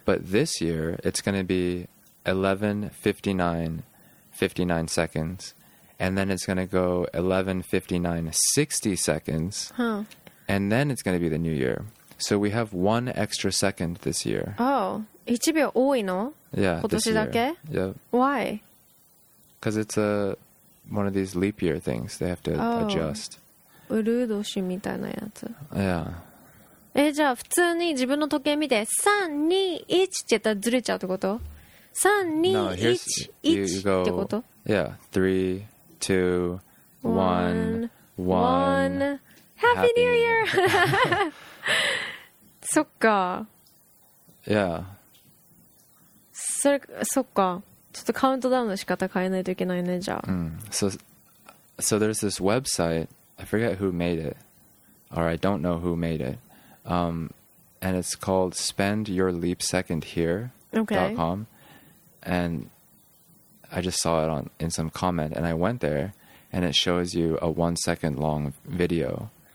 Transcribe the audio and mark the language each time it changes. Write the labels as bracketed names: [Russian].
[English] But this year, it's gonna be 11:59 seconds, and then it's going to go 11:59:60 seconds, and then it's going to be the new year. So we have one extra second this year. [Japanese] Oh, 1秒多いの? [English] Yeah, this year. Yeah. Why? Because it's one of these leap year things. They have to adjust. [Japanese] うるう年みたいなやつ。 [English] Yeah. [Japanese] じゃあ普通に自分の時計見て3、2、1って言ったらずれちゃうってこと? [English] 3, 2, no, here's, 1, you go, yeah, 3, 2, 1, Happy New Year! [Japanese] そっか。 [English] Yeah. [Japanese] そっか。ちょっとカウントダウンの仕方変えないといけないね、じゃあ。 [English] So there's this website, I forget who made it, or I don't know who made it, and it's called spendyourleapsecondhere.com. Okay. And I just saw it in some comment, and I went there, and it shows you a 1 second long video.